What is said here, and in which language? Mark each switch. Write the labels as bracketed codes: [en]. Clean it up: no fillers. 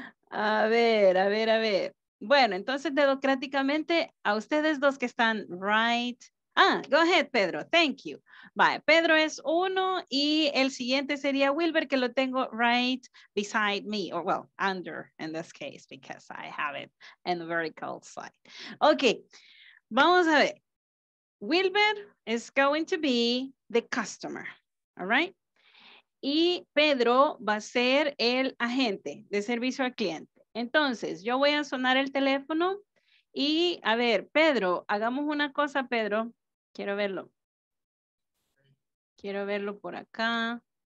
[es] A ver, a ver, a ver. Bueno, entonces, democráticamente, a ustedes dos que están right. [en] Ah, go ahead, Pedro. Thank you. Bye. [es] Pedro es uno y el siguiente sería Wilber, que lo tengo [en] right beside me. Or, well, under in this case, because I have it in the vertical side. Okay, [es] vamos a ver. [en] Wilber is going to be the customer, all right? [es] Y Pedro va a ser el agente de servicio al cliente. Entonces, yo voy a sonar el teléfono y a ver, Pedro, hagamos una cosa, Pedro. Quiero verlo. Quiero verlo por acá.